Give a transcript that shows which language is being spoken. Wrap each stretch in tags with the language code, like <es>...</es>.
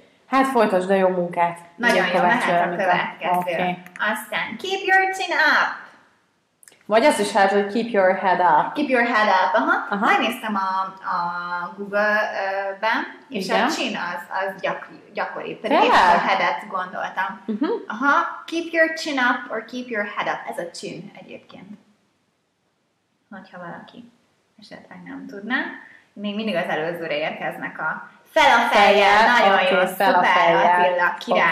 <hu>Hát folytasd a jó munkát. Nagyon jó, mehet a következő. Okay. Aztán</hu> <en>keep your chin up!</en> <hu>Vagy azt is hát, hogy</hu> <en>keep your head up. Keep your head up, aha. Aha.</en> <hu>Megnéztem a Google-ben, és igen. A chin az gyakori. Pedig a head-et gondoltam. Uh-huh.</hu> <en>Aha, keep your chin up or keep your head up.</en> <hu>Ez a chin egyébként. Hogyha valaki esetleg nem tudná. Még mindig az előzőre érkeznek a fel a fejjel. Nagyon okay, jó, szuper, Attila, király.</hu>